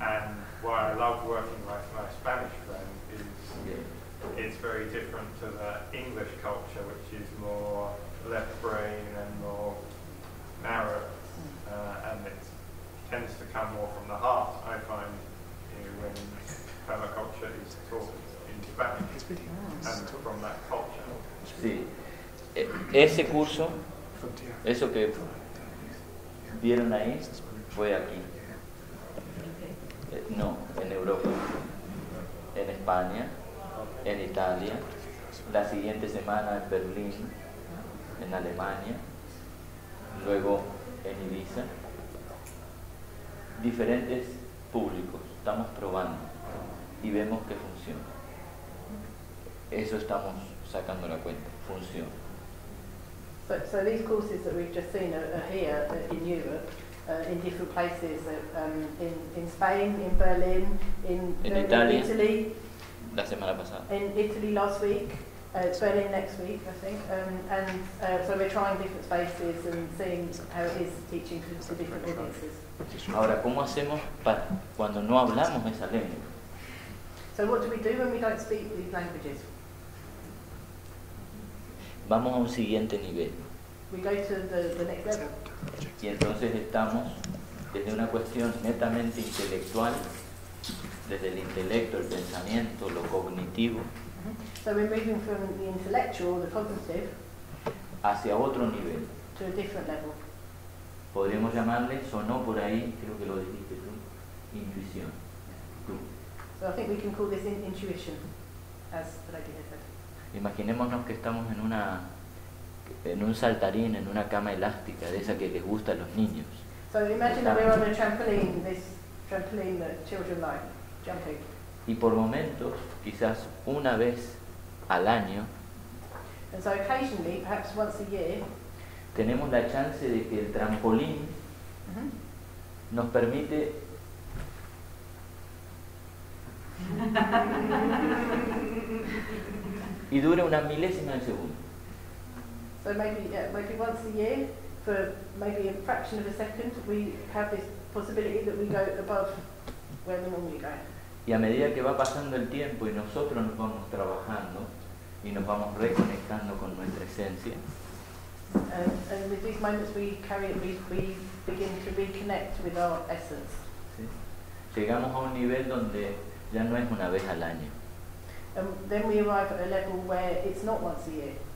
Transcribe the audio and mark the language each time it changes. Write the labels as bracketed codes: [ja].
[en] And why I love working with my Spanish friend is it's very different to the English culture, which is more left brain and more narrow. And it tends to come more from the heart, I find, when permaculture is taught in Spanish and from that culture. [es] Sí. Ese curso, eso que vieron ahí, fue aquí. No, en Europa, en España, en Italia, la siguiente semana en Berlín, en Alemania, luego en Ibiza. Diferentes públicos, estamos probando y vemos que funciona. Eso estamos sacando la cuenta, funciona. [en] So these courses that we've just seen are here in Europe, in different places, in Spain, in Berlin, in Italy, [es] la semana pasada. [en] In Italy last week, Berlin next week, I think. So we're trying different spaces and seeing how it is teaching to different audiences. [es] Ahora, ¿cómo hacemos cuando no hablamos esa lengua? [en] So what do we do when we don't speak these languages? [es] Vamos a un siguiente nivel. [en] We go to the next level. [es] Y entonces estamos desde una cuestión netamente intelectual, desde el intelecto, el pensamiento, lo cognitivo. [en] So we're moving from the intellectual, the cognitive, [es] hacia otro nivel. [en] To a different level. [es] Podríamos llamarle, sonó por ahí, creo que lo dijiste tú, intuición. Tú. [en] So I think we can call this intuition, as what I did. [es] Imaginémonos que estamos en un saltarín, en una cama elástica, de esa que les gusta a los niños. [en] So imagine that we're on a trampoline, this trampoline that children like, jumping. [es] Y por momentos, quizás una vez al año, [en] and so occasionally, perhaps once a year, [es] tenemos la chance de que el trampolín nos permite... y dura una milésima de segundo. [en] So maybe once a year, for maybe a fraction of a second, we have this possibility that we go above where we normally go. [es] Y a medida que va pasando el tiempo y nosotros nos vamos trabajando y nos vamos reconectando con nuestra esencia. [en] And with these moments we begin to reconnect with our essence. [es] ¿Sí? Llegamos a un nivel donde ya no es una vez al año. [en] Then we arrive at a level where it's not once a year.